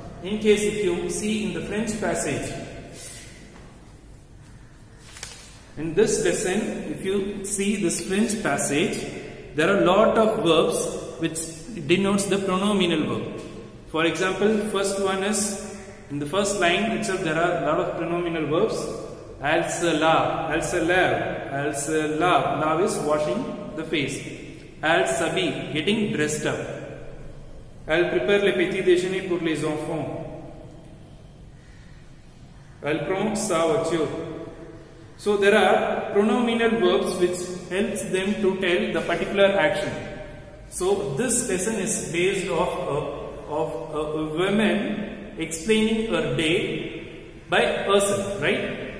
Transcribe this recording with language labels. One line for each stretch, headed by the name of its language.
English: In case if you see in the French passage, in this lesson, if you see this French passage, there are lot of verbs which denotes the pronominal verb. For example, first one is, in the first line itself, there are lot of pronominal verbs.
French: Elle se lave, elle se lave, elle se lave.
English: Lave is washing the face.
French: Elle s'habille,
English: getting dressed up.
French: Elle prépare le petit déjeuner pour les enfants. Elle prend sa voiture.
English: So there are pronominal verbs which helps them to tell the particular action. So this lesson is based off of a woman explaining her day by herself, right?